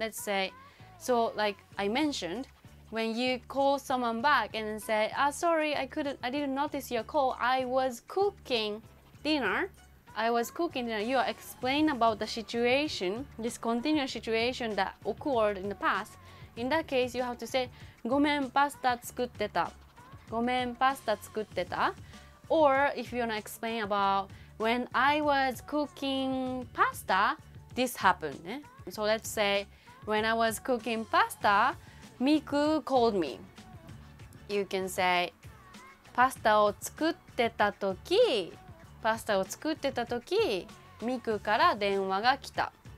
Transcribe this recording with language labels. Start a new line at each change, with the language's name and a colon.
English: Let's say, so like I mentioned,When you call someone back and say, Ah, sorry, I didn't notice your call. I was cooking dinner. I was cooking dinner. You explain about the situation, this continuous situation that occurred in the past. In that case, you have to say,
Japanese: ごめん、パスタ作ってた。ごめん、パスタ作ってた。
English: Or if you want to explain about when I was cooking pasta, this happened.、Eh? So let's say, when I was cooking pasta,Miku called me. You can say,
Japanese: Pasta を作ってた時、Pasta を作ってた時、Miku から電話が来た。